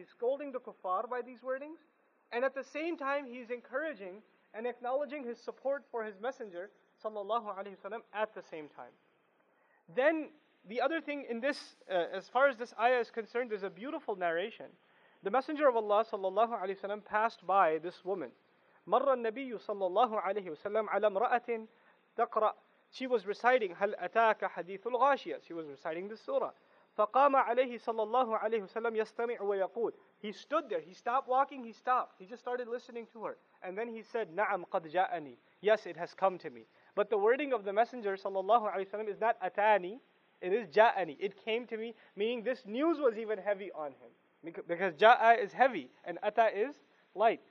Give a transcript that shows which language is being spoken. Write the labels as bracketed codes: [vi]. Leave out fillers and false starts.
[en] He's scolding the kuffar by these wordings, and at the same time, he's encouraging and acknowledging his support for his Messenger, sallallahu alayhi wasallam, at the same time. Then, the other thing in this, as far as this ayah is concerned, is a beautiful narration. The Messenger of Allah sallallahu alaihi wasallam passed by this woman. [ar] مَرَّ النَّبِيُّ sallallahu alaihi wasallam عَلَى مْرَأَةٍ تَقْرَأ. [en] She was reciting, [ar] هَلْ أَتَاكَ حَدِيثُ الْغَاشِيَةِ. [en] She was reciting this surah. [ar] فَقَامَ عَلَيْهِ sallallahu alaihi wasallam يَسْتَمِعُ وَيَقُولُ. [en] He stood there. He stopped walking. He stopped. He just started listening to her. And then he said, [ar] نَعَمْ قَدْ جَاءَنِي. [en] Yes, it has come to me. But the wording of the Messenger sallallahu alaihi wasallam is not أَتَانِي. It is جَاءَنِي. It came to me. Meaning this news was even heavy on him. Because ja'a is heavy and ata is light.